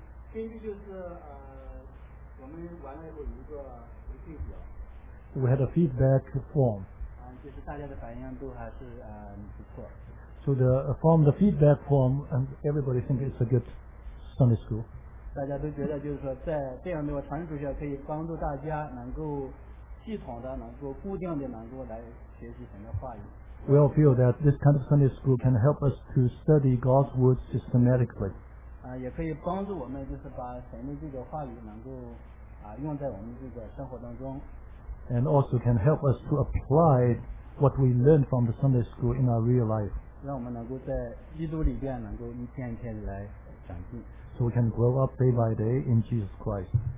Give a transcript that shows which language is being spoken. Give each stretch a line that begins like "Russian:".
Chinese: 根据就是我们完了以后有一个回馈表。
English: We had a feedback form.
Chinese: 就是大家的反应都还是不错。
English: So the form, the feedback form, and everybody think it's a good Sunday school.
Chinese: 大家都觉得就是说在这样的传承主学可以帮助大家能够系统的能够固定的能够来学习神的话语。
English: We all feel that this kind of Sunday school can help us to study God's Word systematically.
Chinese: 也可以帮助我们就是把神的这个话语能够用在我们这个生活当中。
English: And also can help us to apply what we learn from the Sunday school in our real life.
Chinese: 让我们能够在基督里边能够一天一天来长进。
English: So we can grow up day by day in Jesus Christ.